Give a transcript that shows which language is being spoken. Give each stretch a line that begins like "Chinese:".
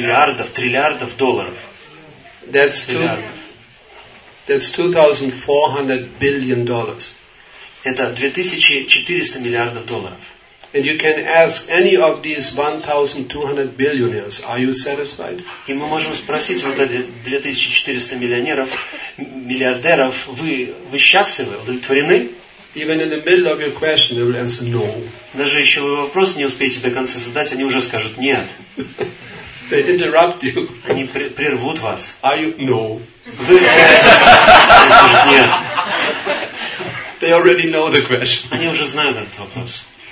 Russian: Миллиардов, триллиардов долларов.
English: That's 2,400 billion dollars.
Russian: Это 2,400 миллиардов долларов.
English: And you can ask any of these 1,200 billionaires, are you satisfied?
Russian: И мы можем спросить вот этих 2,400 миллионеров, миллиардеров, вы счастливы, удовлетворены?
English: Even in the middle of your question, they will answer no.
Russian: Даже еще вы вопрос не успеете до конца задать, они уже скажут нет.
English: They interrupt you.
Russian: Они прервут вас.
English: Are you no?
Russian: Вы скажут нет.
English: They already know the question.
Russian: Они уже знают этот вопрос.